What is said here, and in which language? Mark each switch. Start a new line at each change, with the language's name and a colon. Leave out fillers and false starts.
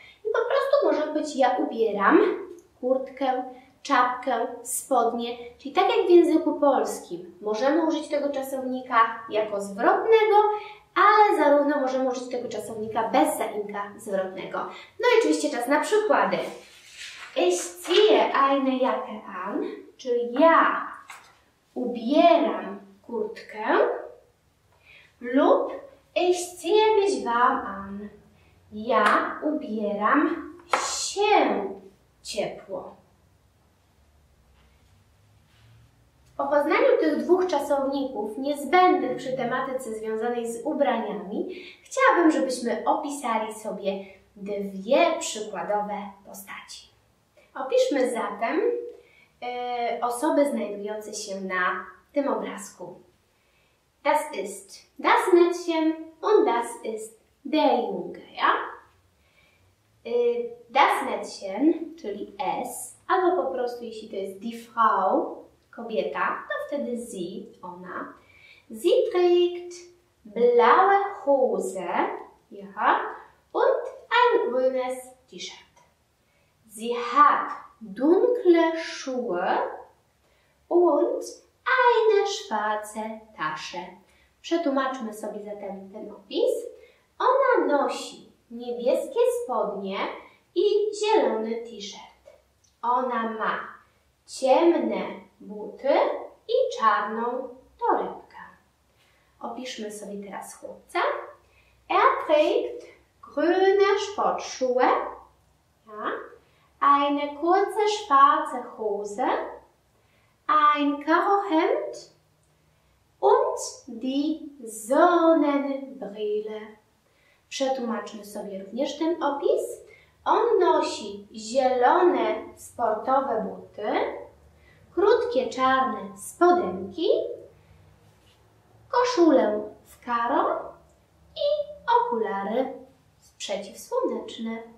Polish: I po prostu może być ja ubieram kurtkę, czapkę, spodnie, czyli tak jak w języku polskim. Możemy użyć tego czasownika jako zwrotnego, ale zarówno możemy użyć tego czasownika bez zaimka zwrotnego. No i oczywiście czas na przykłady.
German: Ich ziehe eine Jacke an,
Polish: czyli ja ubieram kurtkę, lub
German: ich ziehe mich warm an.
Polish: Ja ubieram się ciepło. Po poznaniu tych dwóch czasowników niezbędnych przy tematyce związanej z ubraniami, chciałabym, żebyśmy opisali sobie dwie przykładowe postaci. Opiszmy zatem osoby znajdujące się na tym obrazku.
German: Das ist das Mädchen und das ist der Junge, ja? Das Mädchen,
Polish: czyli es, albo po prostu jeśli to jest
German: die Frau,
Polish: kobieta, to wtedy sie, ona.
German: Sie trägt blaue Hose, ja, und ein grünes T-Shirt. Sie hat dunkle Schuhe und eine schwarze Tasche.
Polish: Przetłumaczmy sobie zatem ten opis. Ona nosi niebieskie spodnie i zielony t-shirt. Ona ma ciemne buty i czarną torebkę. Opiszmy sobie teraz chłopca.
German: Er trägt grüne Sportschuhe. Ja. Eine kurze schwarze Hose, ein Karohemd und die Sonnenbrille.
Polish: Przetłumaczmy sobie również ten opis. On nosi zielone sportowe buty, krótkie czarne spodenki, koszulę w karo i okulary przeciwsłoneczne.